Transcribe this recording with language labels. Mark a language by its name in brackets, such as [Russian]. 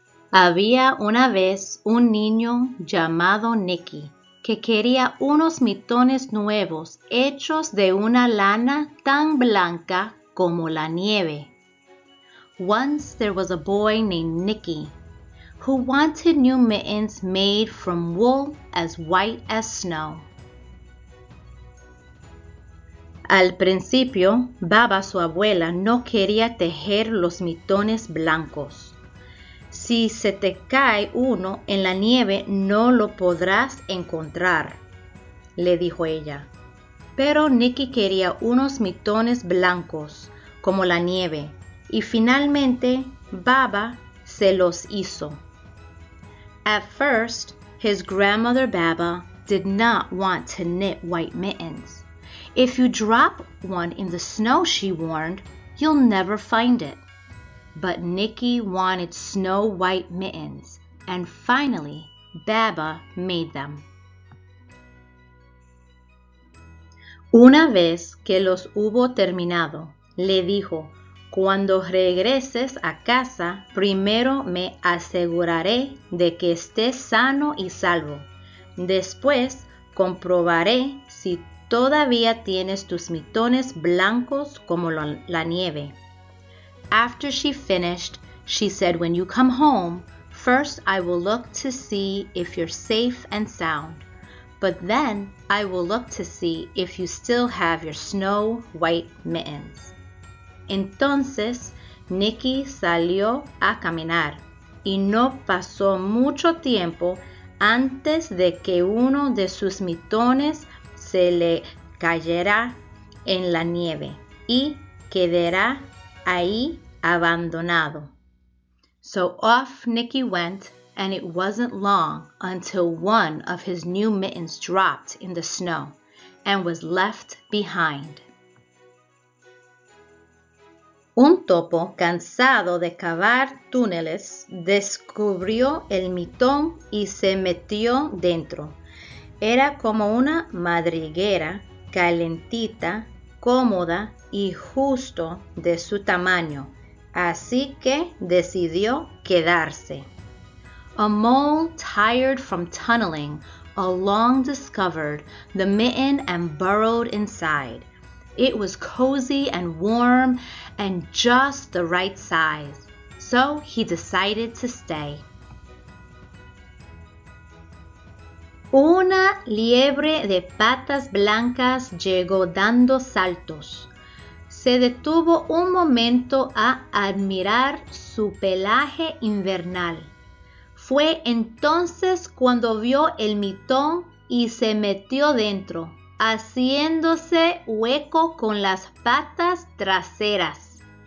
[Spanish] Había una vez un niño llamado Nicky que quería unos mitones nuevos hechos de una lana tan blanca como la nieve. [English] Once there was a boy named Nicky who wanted new mittens made from wool as white as snow. [Spanish] Al principio, Baba, su abuela, no quería tejer los mitones blancos. Si se te cae uno en la nieve, no lo podrás encontrar, le dijo ella. Pero Nicky quería unos mitones blancos, como la nieve, y finalmente Baba se los hizo. [English] At first, his grandmother Baba did not want to knit white mittens. If you drop one in the snow, she warned, you'll never find it. But Nicky wanted snow white mittens, and finally, Baba made them. [Spanish] Una vez que los hubo terminado, le dijo, cuando regreses a casa, primero me aseguraré de que estés sano y salvo. Después, comprobaré si todavía tienes tus mitones blancos como la nieve. [English] After she finished, she said, when you come home, first I will look to see if you're safe and sound, but then I will look to see if you still have your snow white mittens. [Spanish] Entonces, Nicky salió a caminar y no pasó mucho tiempo antes de que uno de sus mitones se le cayera en la nieve y quedará ahí abandonado. [English] So off Nicky went, and it wasn't long until one of his new mittens dropped in the snow and was left behind. [Spanish] Un topo cansado de cavar túneles descubrió el mitón y se metió dentro. Era como una madriguera calentita, cómoda y justo de su tamaño, así que decidió quedarse. [English] A mole, tired from tunneling, along discovered the mitten and burrowed inside. It was cozy and warm and just the right size, so he decided to stay. [Spanish] Una liebre de patas blancas llegó dando saltos. Se detuvo un momento a admirar su pelaje invernal. Fue entonces cuando vio el mitón y se metió dentro, haciéndose hueco con las patas traseras.